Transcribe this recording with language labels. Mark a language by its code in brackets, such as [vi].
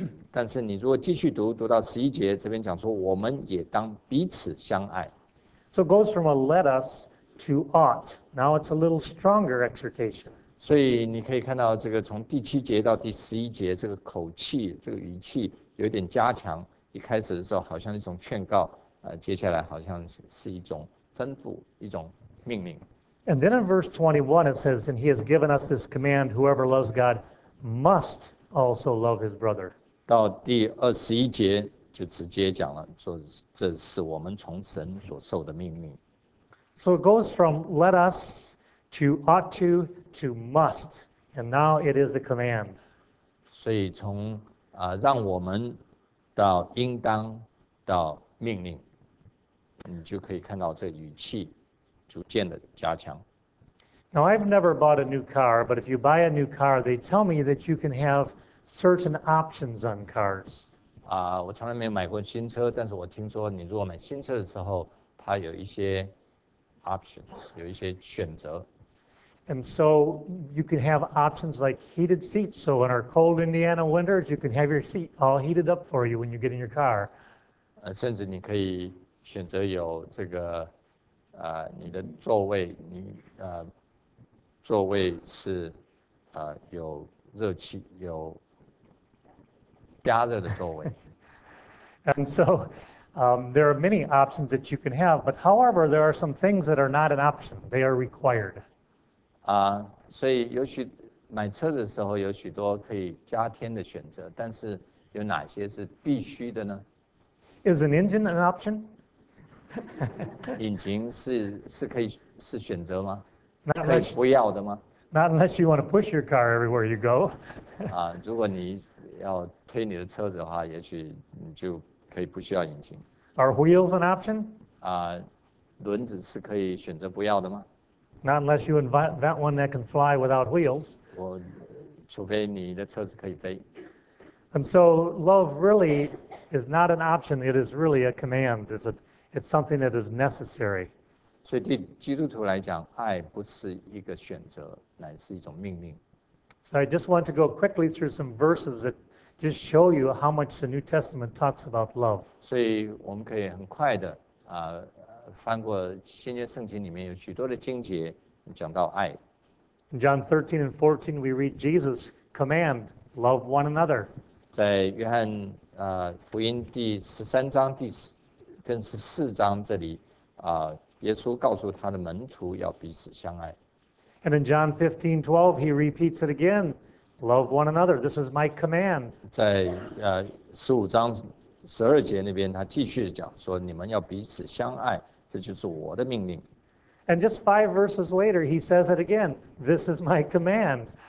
[zh] 但是你如果继续读到11节，这边讲说我们也当彼此相爱。 [en] So it goes from a let us to ought. Now it's a little stronger exhortation. [zh] 所以你可以看到这个从第七节到第11节，这个口气，这个语气有点加强。一开始的时候好像一种劝告，接下来好像是一种吩咐，一种命令。 [en] And then in verse 21 it says, and he has given us this command, whoever loves God must also love his brother. [zh] 到第21节就直接讲了，说这是我们从神所受的命令。 [en] So it goes from let us to ought to must, and now it is a command. [zh] 所以从让我们到应当到命令，你就可以看到这语气。逐渐的加强。 [en] Now I've never bought a new car, but if you buy a new car, they tell me that you can have certain options on cars. [zh] 我从来没有买过新车，但是我听说你如果买新车的时候，它有一些 options，有一些选择。 [en] And so you can have options like heated seats. So in our cold Indiana winters, you can have your seat all heated up for you when you get in your car. [zh] 甚至你可以选择有这个，你的座位，座位是，有热气，有加热的座位。 [en] And so there are many options that you can have, but however, there are some things that are not an option, they are required. [zh] 所以有许买车子的时候有许多可以加添的选择，但是有哪些是必须的呢？ [en] Is an engine an option? [zh] 引擎是可以是选择吗？是可以 [en] Not [zh] 不要的吗？ [en] unless you want to push your car everywhere you go. [zh] 如果你要推你的车子的话，也许你就可以不需要引擎。 [en] Are wheels an option? [zh] 轮子是可以选择不要的吗？ [en] Not unless you invent that one that can fly without wheels. [zh] 我除非你的车子可以飞。 [en] And so love really is not an option, it is really a command. It's something that is necessary. [zh] 所以对基督徒来讲，爱不是一个选择，乃是一种命令。 [en] So I just want to go quickly through some verses that just show you how much the New Testament talks about love. [zh] 所以我们可以很快的翻过新约圣经里面有许多的经节讲到爱。 [en] In John 13 and 14, we read Jesus' command, love one another. [zh] 在约翰福音第13章跟14章这里耶稣告诉他的门徒要彼此相爱。 [en] And in John 15, 12, he repeats it again, love one another. This is my command. [zh] 在15章12节那边，他继续讲说：“你们要彼此相爱，这就是我的命令。 [en] And just 5 verses later, he says it again, this is my command.